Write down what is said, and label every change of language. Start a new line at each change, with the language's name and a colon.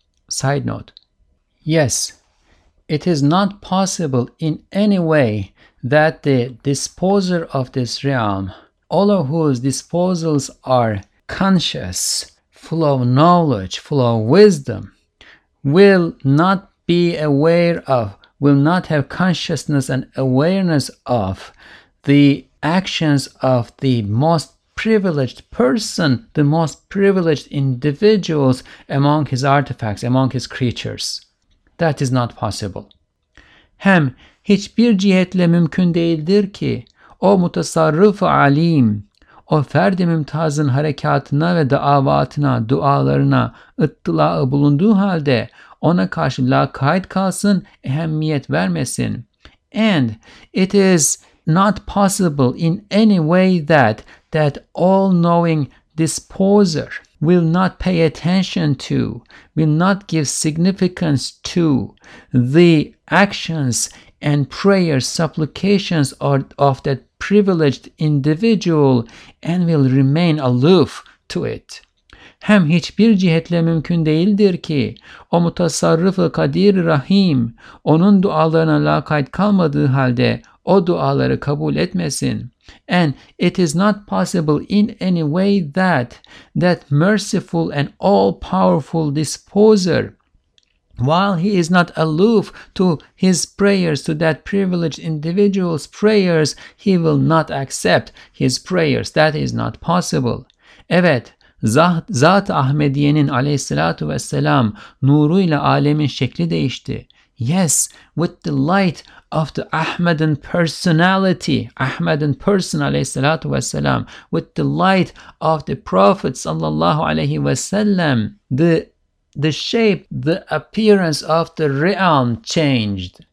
English: Side note. Yes, it is not possible in any way that the disposer of this realm, all of whose disposals are conscious, full of knowledge, full of wisdom, will not be aware of, will not have consciousness and awareness of the actions of the most privileged person, the most privileged individuals among his artifacts, among his creatures. That is not possible.
Turkish: Hem hiçbir cihetle mümkün değildir ki o mutasarrıf-ı alim, o ferd-i mümtazın harekatına ve davatına, dualarına ıttılağı bulunduğu halde ona karşı lakayt kalsın, ehemmiyet vermesin.
English: And it is not possible in any way that all-knowing disposer will not pay attention to, will not give significance to the actions and prayers, supplications of that privileged individual and will remain aloof to it.
Turkish: Hem hiçbir cihetle mümkün değildir ki o mutasarrıf-ı kadir-i rahim onun dualarına lakayt kalmadığı halde o duaları kabul etmesin.
English: And it is not possible in any way that merciful and all-powerful disposer, while he is not aloof to his prayers, to that privileged individual's prayers, he will not accept his prayers. That is not possible.
Turkish: Evet, Zat-ı Ahmediye'nin aleyhissalatu vesselam nuruyla alemin şekli değişti.
English: Yes, with the light of the Ahmadan personality, Ahmadan person
Arabic: alayhi salatu wasalam,
English: with the light of the Prophet
Arabic: sallallahu alayhi wasallam,
English: the shape, the appearance of the realm changed.